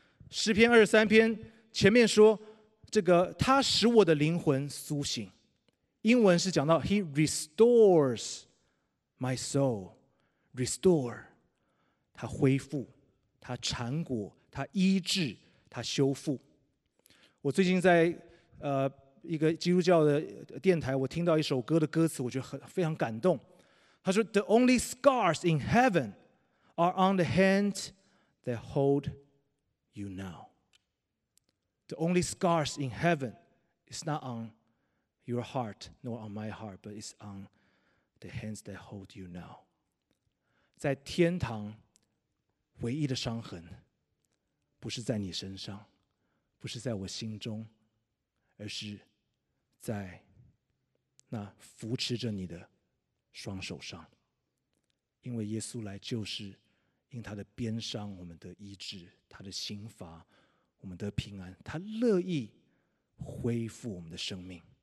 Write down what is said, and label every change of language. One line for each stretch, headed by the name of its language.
Chinese: 诗篇23篇前面说，这个他使我的灵魂苏醒，英文是讲到
English: He restores my soul，
Chinese: restore， 他恢复，他缠裹，他医治，它修复。我最近在一个基督教的电台，我听到一首歌的歌词，我觉得非常感动。
English: 他说 The only scars in heaven are on the hand that hold you now. The only scars in heaven is not on your heart nor on my heart, but it's on the hands that hold you now.
Chinese: 在天堂唯一的伤痕不是在你身上，不是在我心中，而是在那扶持着你的双手上。因为耶稣来救世，因他的鞭伤我们得医治，他的刑罚我们得平安，他乐意恢复我们的生命。